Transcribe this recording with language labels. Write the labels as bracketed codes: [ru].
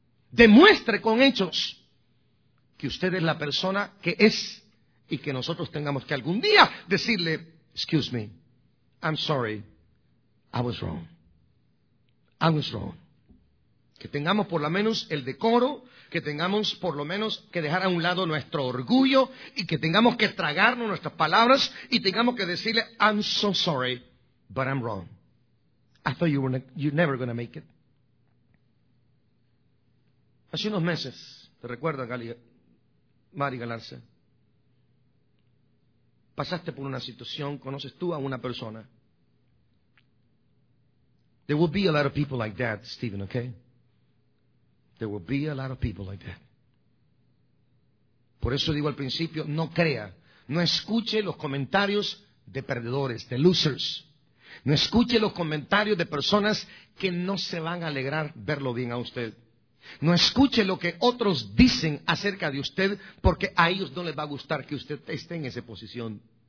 [es] Demuestre con hechos que usted es la persona que es y que nosotros tengamos que algún día decirle: [en] excuse me, I'm sorry, I was wrong. [es] Que tengamos por lo menos el decoro, que tengamos por lo menos que dejar a un lado nuestro orgullo y que tengamos que tragarnos nuestras palabras y tengamos que decirle: [en] I'm so sorry, but I'm wrong. I thought you're never going to make it. [es] Hace unos meses, te recuerdo, [en] Gali, [es] Mari Galarza, pasaste por una situación, conoces tú a una persona. [en] There will be a lot of people like that, Stephen, okay? There will be a lot of people like that. [es] Por eso digo al principio, no crea, no escuche los comentarios de perdedores, de losers. No escuche los comentarios de personas que no se van a alegrar verlo bien a usted. No escuche lo que otros dicen acerca de usted, porque a ellos no les va a gustar que usted esté en esa posición.